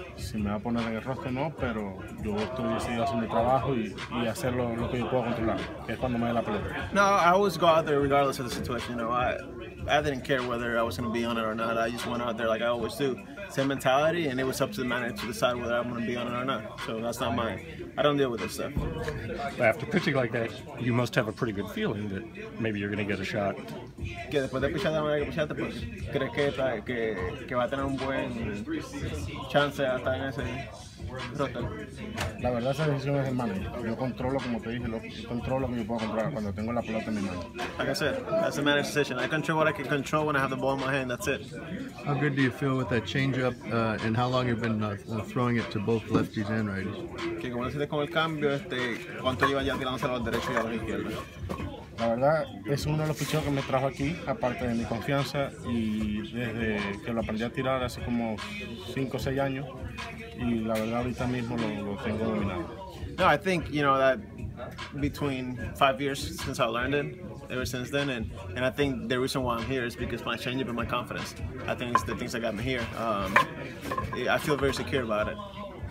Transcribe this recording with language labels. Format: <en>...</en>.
<es>si me va a poner en el roster o no, pero yo estoy decidido a hacer mi trabajo y hacer lo que yo puedo controlar, que es cuando me dé la pelota.</es> <en>No, I always go out there regardless of the situation. You know, I didn't care whether I was going to be on it or not. I just went out there like I always do. Same mentality, and it was up to the manager to decide whether I'm going to be on it or not. So that's not mine. I don't deal with this stuff. After pitching like that, you must have a pretty good feeling that maybe you're going to get a shot.</en> <es>Que después de pichar de manera que pichaste, pues crees que va a tener un buen chance hasta en ese roster. La verdad, esa decisión es el manager. Yo controlo, como te dije, controlo lo que yo puedo controlar cuando tengo la pelota en mi mano.</es> <en>Like I said, that's the manager's decision. I control what I can control when I have the ball in my hand. That's it. How good do you feel with that changeup, and how long you've been throwing it to both lefties and righties?</en> <es>Que como decís con el cambio, cuánto lleva ya tirándose a los derechos y a los izquierdos. La verdad, es uno de los picheos que me trajo aquí, aparte de mi confianza, y desde que lo aprendí a tirar hace como 5 o 6 años, y la verdad ahorita mismo lo tengo dominado.</es> <en>No, I think, you know, that between 5 years since I learned it, ever since then, and I think the reason why I'm here is because my changeup and my confidence. I think it's the things that got me here. I feel very secure about it.</en>